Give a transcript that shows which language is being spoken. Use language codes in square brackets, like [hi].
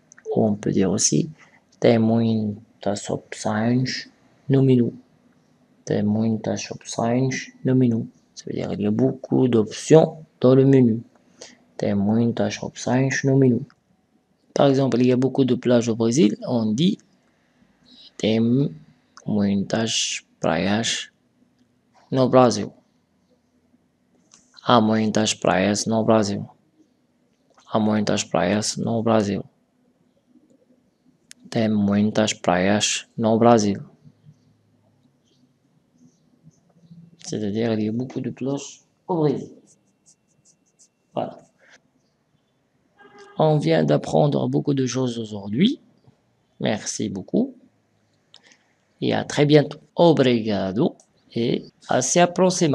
[fr] Ou on peut dire aussi, [pt] tem muitas opções no menu. Tem muitas opções no menu. [fr] Ça veut dire, il y a beaucoup d'options dans le menu. [pt] Tem muitas opções no menu. [fr] Par exemple, il y a beaucoup de plages au Brésil. On dit, [pt] tem muitas praias no Brasil. Há muitas praias no Brasil. Há muitas praias no Brasil. Tem muitas praias no Brasil. [fr] C'est-à-dire, il y a beaucoup de plages au Brésil. Voilà. On vient d'apprendre beaucoup de choses aujourd'hui. Merci beaucoup. Et à très bientôt. Obrigado. Et à la prochaine.